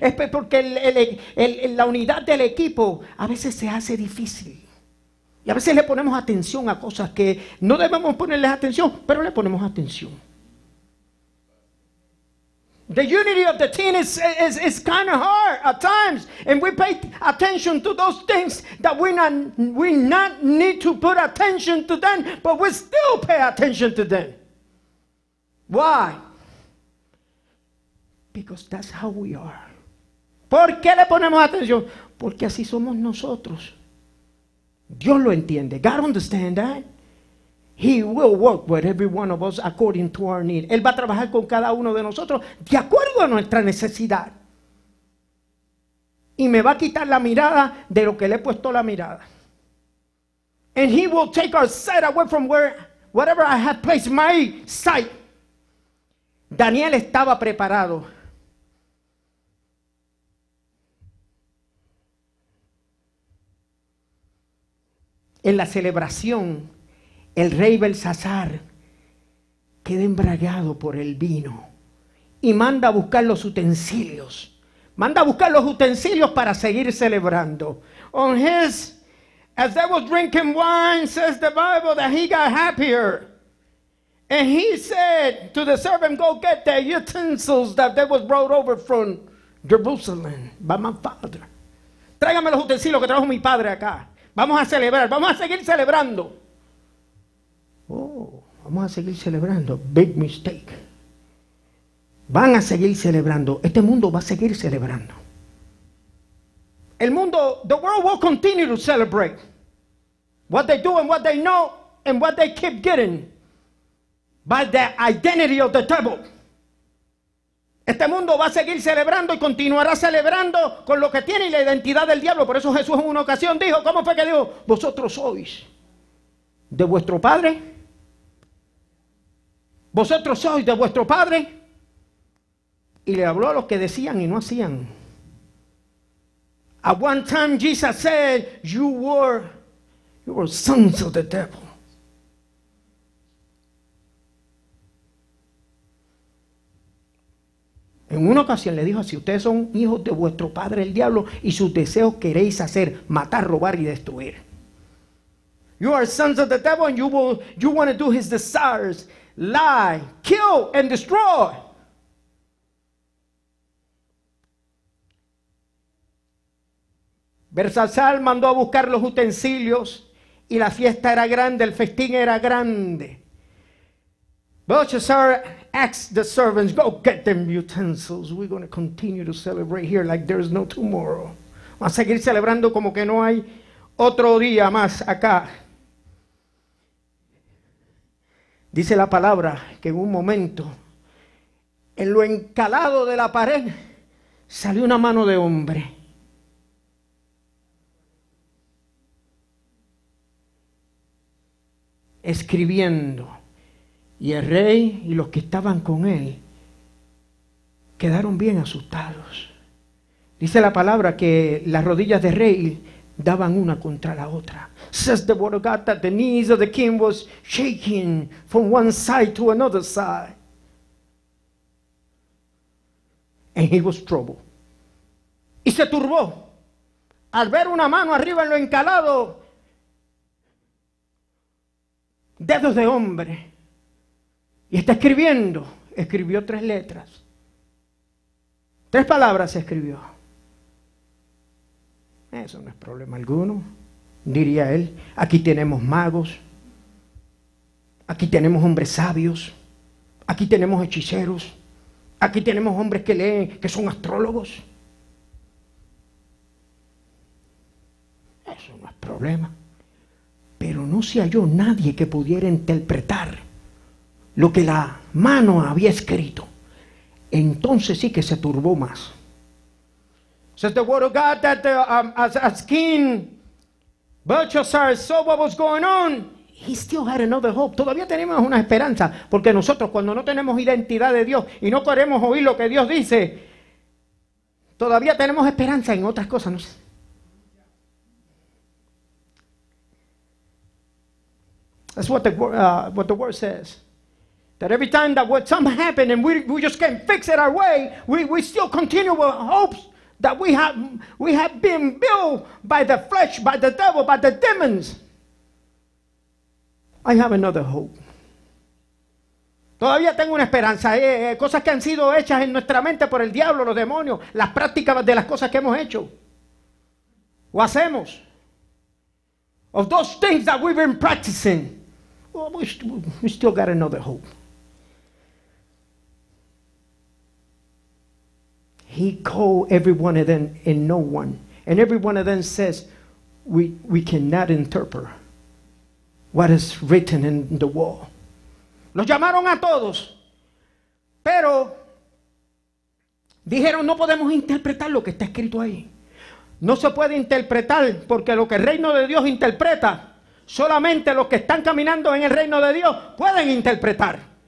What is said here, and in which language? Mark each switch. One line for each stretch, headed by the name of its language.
Spanish: Es porque la unidad del equipo a veces se hace difícil. Y a veces le ponemos atención a cosas que no debemos ponerles atención, pero le ponemos atención.
English: The unity of the team is kind of hard at times, and we pay attention to those things that we not need to put attention to them, but we still pay attention to them. Why? Because that's how we are.
Spanish: ¿Por qué le ponemos atención? Porque así somos nosotros. Dios lo entiende.
English: God understands that. He will work with every one of us according to our need.
Spanish: Él va a trabajar con cada uno de nosotros de acuerdo a nuestra necesidad. Y me va a quitar la mirada de lo que le he puesto la mirada.
English: And he will take our sight away from whatever I have placed my sight.
Spanish: Daniel estaba preparado. En la celebración, el rey Belsasar queda embriagado por el vino y manda a buscar los utensilios. Manda a buscar los utensilios para seguir celebrando.
English: On his, as they were drinking wine, says the Bible that he got happier. And he said to the servant, go get the utensils that they were brought over from Jerusalem by my father.
Spanish: Tráigame los utensilios que trajo mi padre acá. Vamos a celebrar, vamos a seguir celebrando. Oh, vamos a seguir celebrando.
English: Big mistake.
Spanish: Van a seguir celebrando. Este mundo va a seguir celebrando. El mundo,
English: the world will continue to celebrate. what they do and what they know and what they keep getting by the identity of the devil.
Spanish: Este mundo va a seguir celebrando y continuará celebrando con lo que tiene y la identidad del diablo. Por eso Jesús en una ocasión dijo, ¿cómo fue que dijo? Vosotros sois de vuestro padre. Vosotros sois de vuestro padre. Y le habló a los que decían y no hacían.
English: At one time Jesus said, you were sons of the devil.
Spanish: En una ocasión le dijo así, ustedes son hijos de vuestro padre el diablo y sus deseos queréis hacer, matar, robar y destruir.
English: You are sons of the devil and you want to do his desires, lie, kill and destroy.
Spanish: Belsasar mandó a buscar los utensilios y la fiesta era grande, el festín era grande.
English: Belshazzar asked the servants, go get them utensils. We're going to continue to celebrate here like there's no tomorrow.
Spanish: Vamos a seguir celebrando como que no hay otro día más acá. Dice la palabra que en un momento, en lo encalado de la pared, salió una mano de hombre. Escribiendo. Y el rey y los que estaban con él quedaron bien asustados. Dice la palabra que las rodillas del rey daban una contra la otra.
English: Says the word of God that the knees of the king was shaking from one side to another side. And he was troubled.
Spanish: Y se turbó al ver una mano arriba en lo encalado. Dedos de hombre. Y está escribiendo. Escribió tres letras. Tres palabras escribió. Eso no es problema alguno, diría él. Aquí tenemos magos. Aquí tenemos hombres sabios. Aquí tenemos hechiceros. Aquí tenemos hombres que leen, que son astrólogos. Eso no es problema. Pero no se halló nadie que pudiera interpretar lo que la mano había escrito. Entonces sí que se turbó más.
English: Says the word of God that as King Belshazzar saw what was going on, he still had another hope.
Spanish: Todavía tenemos una esperanza, porque nosotros cuando no tenemos identidad de Dios y no queremos oír lo que Dios dice, todavía tenemos esperanza en otras cosas. No sé.
English: That's what the word says. That every time that what something happened and we just can't fix it our way, we still continue with hopes that we have been built by the flesh, by the devil, by the demons. I have another hope.
Spanish: Todavía tengo una esperanza. Cosas que han sido hechas en nuestra mente por el diablo, los demonios, las prácticas de las cosas que hemos hecho o hacemos.
English: Of those things that we've been practicing, we still got another hope. He called every one of them and no one. And every one of them says, we cannot interpret what is written in the wall.
Spanish: Los llamaron a todos, pero dijeron, no podemos interpretar lo que está escrito ahí. No se puede interpretar porque lo que el reino de Dios interpreta, solamente los que están caminando en el reino de Dios pueden interpretar.